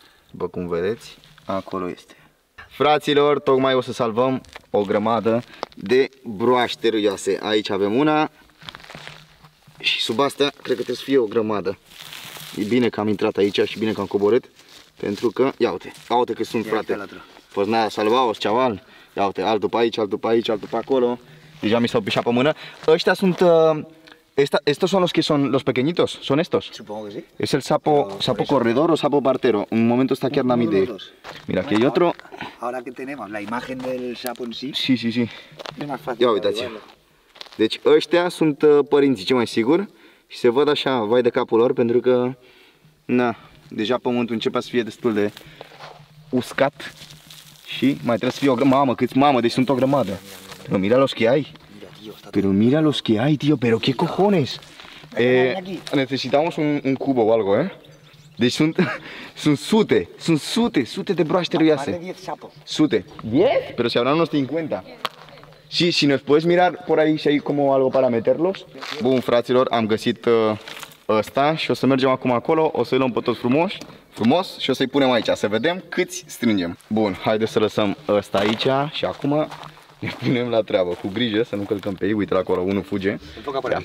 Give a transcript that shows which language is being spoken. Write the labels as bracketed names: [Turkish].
[Romanian] După cum vedeți, acolo este. Fraților, tocmai o să salvăm o grămadă de broaște râioase. Aici avem una. Și sub asta cred că trebuie să fie o grămadă. E bine că am intrat aici și bine că am coborât, pentru că, ia uite, ia uite că sunt, frate. Poți n-aia salva-o-s, ceaval. Ia uite, altul pe aici, altul pe aici, altul pe acolo. Deja mi s-au pișat pe mână. Ăștia sunt [Spanish] estos son los que son los pequeñitos, son estos. Supongo que sí. Es el sapo, sapo corredor o sapo partero. En un momento está aquí Arnamide. Mira, aquí hay otro. Ahora que tenemos la imagen del sapo en sí. Sí, sí, sí. Es más fácil. [Romanian] Ya uitați. Deci ăștia sunt părinții, ce mai sigur. Și se văd așa, vai de capul lor, pentru că na, deja pământul începe să fie destul de uscat. Și mai trebuie să fie o grămadă. Mamă, câți, mamă, deci sunt o grămadă. [Spanish] Pero mira los que hay. Pero mira los que hay, tío, pero qué cojones. Necesitamos un cubo o algo, [Romanian] Deci sunt sute de broaște râioase. Sute. 10? [Spanish] Pero si hablan unos 50. Sí, si nos puedes mirar por ahí si hay como algo para meterlos. [Romanian] Bun, fraților, am găsit ăsta și o să mergem acum acolo, o să-i luăm pe toți frumos, frumos, și o să-i punem aici, să vedem câți strângem. Bun, haide să lăsăm ăsta aici și acum ne punem la treabă, cu grijă să nu călcăm pe ei. Uite, acolo unul fuge. Ia,